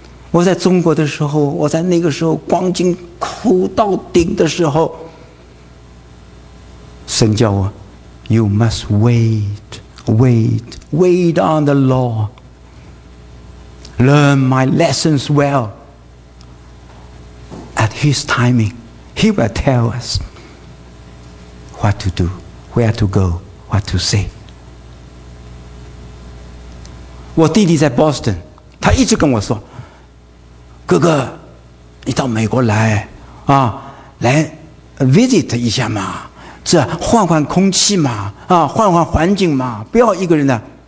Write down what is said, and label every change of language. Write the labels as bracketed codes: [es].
[zh] 我在中国的时候，我在那个时候光景苦到顶的时候，神叫我 ， [en] You must wait on the Lord, learn my lessons well. At His timing, He will tell us. What to do, where to go, what to say. [zh] 我弟弟在 Boston， 他一直跟我说：“哥哥，你到美国来啊，来 visit 一下嘛，这换换空气嘛，啊，换换环境嘛，不要一个人的。